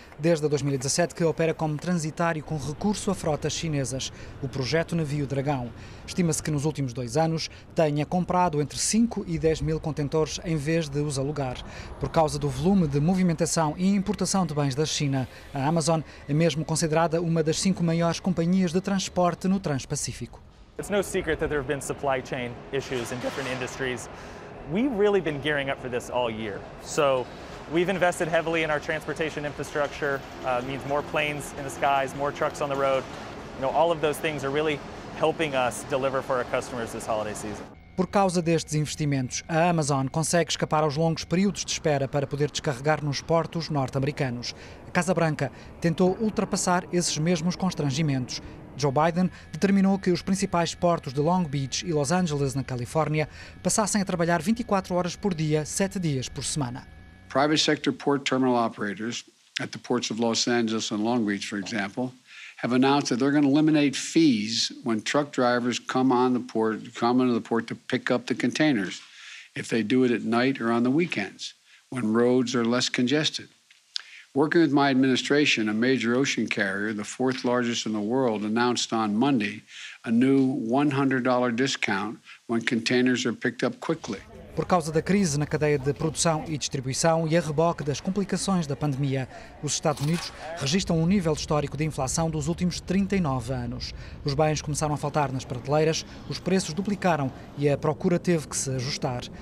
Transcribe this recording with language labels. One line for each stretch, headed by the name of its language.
Portuguese: Desde 2017 que opera como transitário com recurso a frotas chinesas, o projeto Navio Dragão. Estima-se que nos últimos 2 anos tenha comprado entre 5 e 10 mil contentores em vez de os alugar. Por causa do volume de movimentação e importação de bens da China, a Amazon é mesmo considerada uma das 5 maiores companhias de transporte no Transpacífico.
English: It's no secret that there have been supply chain issues in different industries. We've really been gearing up for this all year. So we've invested heavily in our transportation infrastructure, means more planes in the skies, more trucks on the road. You know, all of those things are really helping us deliver for our customers this holiday season.
Portuguese: Por causa destes investimentos, a Amazon consegue escapar aos longos períodos de espera para poder descarregar nos portos norte-americanos. A Casa Branca tentou ultrapassar esses mesmos constrangimentos. Joe Biden determinou que os principais portos de Long Beach e Los Angeles, na Califórnia, passassem a trabalhar 24 horas por dia, 7 dias por semana.
English: Private sector port terminal operators at the ports of Los Angeles and Long Beach, for example, have announced that they're going to eliminate fees when truck drivers come into the port to pick up the containers, if they do it at night or on the weekends, when roads are less congested. Working with my administration, a major ocean carrier, the fourth largest in the world, announced on Monday a new $100 discount when containers are picked up quickly.
Portuguese: Por causa da crise na cadeia de produção e distribuição e a reboque das complicações da pandemia, os Estados Unidos registram um nível histórico de inflação dos últimos 39 anos. Os bens começaram a faltar nas prateleiras, os preços duplicaram e a procura teve que se ajustar.